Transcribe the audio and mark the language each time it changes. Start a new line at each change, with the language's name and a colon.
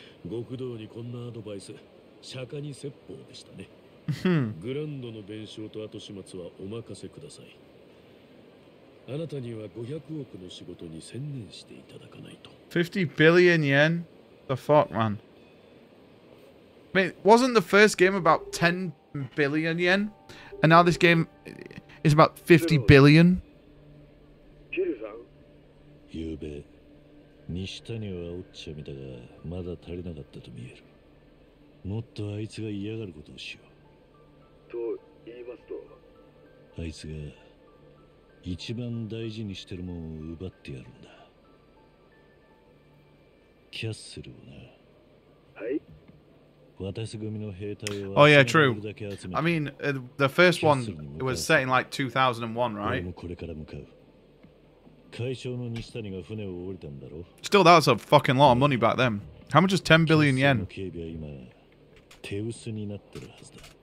Japanese: 極道にこんなアドバイス、釈迦に説法でしたね。グランドの弁償と後始末はお任せください。あなたには500億の仕事に専念していただかないと。
English: 50 billion yen? The fuck, man. I mean, wasn't the first game about 10 billion yen? And now this game is about 50 billion?
Japanese: ジルさん、ゆうべ西谷はオッチャ見たが、まだ足りなかったと見える。もっとあいつが嫌がることをしよう。と言いますと、あいつが一番大事にしてるものを奪ってやるんだ。キャッスルをな。はい。私組の兵隊
English: は。Oh yeah, true. I mean, the first one it was set in like 2001, right?
Japanese: もうこれから向かう。海上の西谷が船を降りたんだろう。
English: Still, that was a fucking lot of money back then. How much is 10 billion yen?
Japanese: キャッスルの警備は今手薄になってるはずだ。